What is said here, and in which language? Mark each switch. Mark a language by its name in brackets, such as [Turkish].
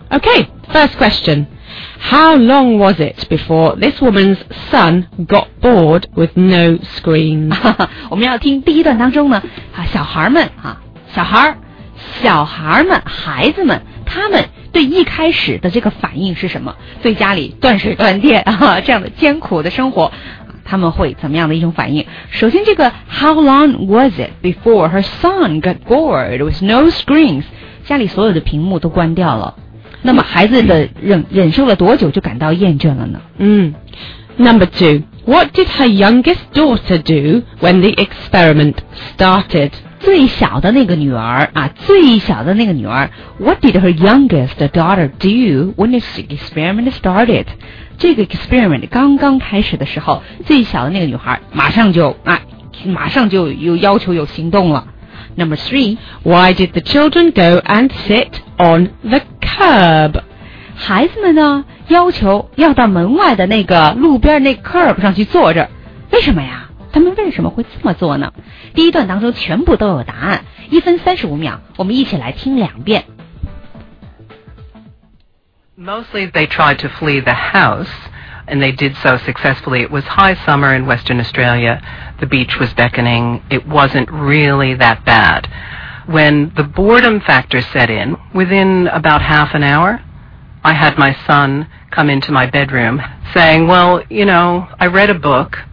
[English] OK, first questionHow long was it before this woman's son got bored with no screens? [Chinese] 我们要听第一段当中呢，啊，小孩们啊，小孩们，孩子们，他们对一开始的这个反应是什么？对家里断水断电啊这样的艰苦的生活，他们会怎么样的一种反应？首先，这个 [English] How long was it before her son got bored with no screens? [Chinese] 家里所有的屏幕都关掉了。那么孩子的忍受了多久就感到厌倦了呢？ [English] 嗯 ，Number two, what did her youngest daughter do when the experiment started? [Chinese] 最小的那个女儿啊，最小的那个女儿 [English] ，What did her youngest daughter do when the experiment started? [Chinese] 这个 experiment 刚刚开始的时候，最小的那个女孩马上就有要求有行动了。 [English] Number three, why did the children go and sit on the curb? [Chinese] 孩子们呢，要求要到门外的那个路边那 curb 上去坐着，为什么呀？他们为什么会这么做呢？第一段当中全部都有答案，1分35秒，我们一起来听两遍。 [English] Mostly they tried to flee the house, and they did so successfully. It was high summer in Western Australia. The beach was beckoning. It wasn't really that bad. When the boredom factor set in, within about half an hour, I had my son come into my bedroom saying, well, you know, I read a book.